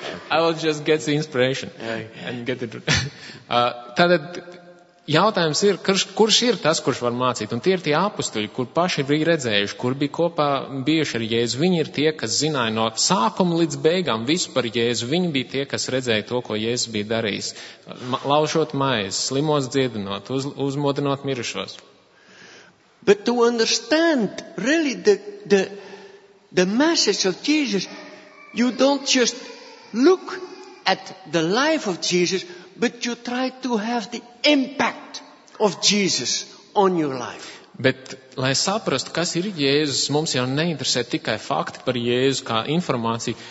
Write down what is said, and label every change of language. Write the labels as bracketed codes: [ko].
[en] I will just get the inspiration and get it. [lv] Jautājums ir, kurš ir tas, kurš var mācīt? Un tie ir tie apustuļi, kur paši bija redzējuši, kur bija kopā bijuši ar Jēzu. Viņi ir tie, kas zināja no sākuma līdz beigām visu par Jēzu. Viņi bija tie, kas redzēja to, ko Jēzus bija darījis. Laušot maiz, slimos dziedinot, uzmodinot mirušos. [en] But to understand really the message of Jesus, you don't just look at the life of Jesus, but you try to have the impact of Jesus on your life. [lv] Bet, lai saprastu, kas ir Jēzus, mums jau neinteresē tikai fakti par Jēzu kā informācija.